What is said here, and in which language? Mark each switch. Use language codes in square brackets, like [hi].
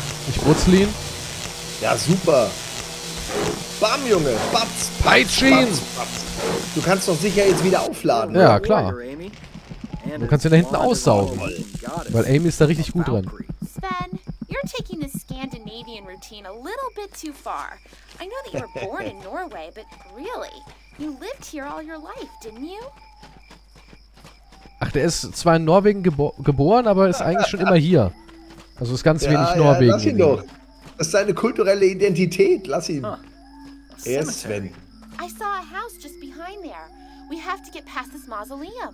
[de] Ich brutzel ihn. Ja, super. Bam, Junge. Batz. Peitschin. Du kannst doch sicher jetzt wieder aufladen. Ja, klar. Du kannst ihn da hinten aussaugen, weil Amy ist da richtig gut drin. [en] Sven, you're taking the Scandinavian routine a little bit too far. I know that you were born in Norway, but really, you lived here all your life, didn't you? [de] Ach, der ist zwar in Norwegen geboren, aber ist eigentlich schon immer hier. Also ist ganz wenig Norwegen. Ja, lass ihn doch. Das ist seine kulturelle Identität. Lass ihn. Er ist Sven. [en] I saw a house just behind there. We have to get past this mausoleum.